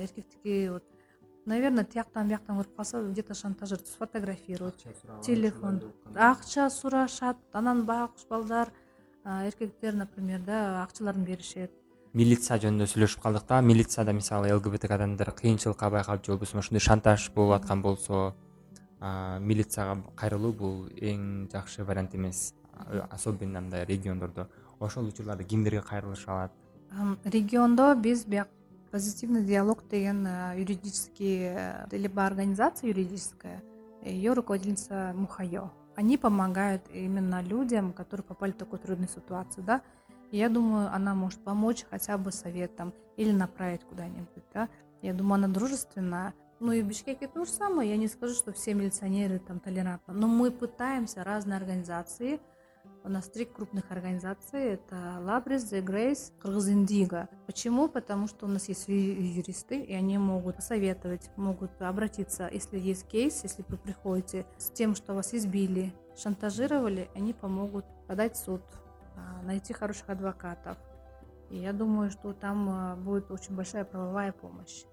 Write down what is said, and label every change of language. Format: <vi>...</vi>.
<ky>Эркектики вот, наверное, тияктан бияктан көрүп калса, где-то шантажерди сфотографируют, телефон, акча сурашат. Анан байкуш балдар эркектер, например, да, акчаларын беришет. Милиция жөнүндө сүйлөшүп калдык да. Милицияда мисалы ЛГБТК адамдар кыйынчылыкка байкалып же болбосо ошондой шантаж болуп аткан болсо милицияга кайрылуу бул эң жакшы вариант эмес, особенно мындай региондордо. Ошол учурларда кимдерге кайрылыш алат? Региондо биз бияк</ky> <ru>позитивный диалог деген юридический либо организация юридическая, ее руководительница Мухайо. Они помогают именно людям, которые попали в такую трудную ситуацию, да. И я думаю, она может помочь хотя бы советом или направить куда-нибудь, да. Я думаю, она дружественная. Ну и в Бишкеке то же самое. Я не скажу, что все милиционеры там толерантны. Но мы пытаемся разные организации. У нас три крупных организации. Это Labris, The Grace, Кыргыз Индиго. Почему? Потому что у нас есть юристы, и они могут посоветовать, могут обратиться. Если есть кейс, если вы приходите с тем, что вас избили, шантажировали, они помогут подать в суд, найти хороших адвокатов. И я думаю, что там будет очень большая правовая помощь.</ru>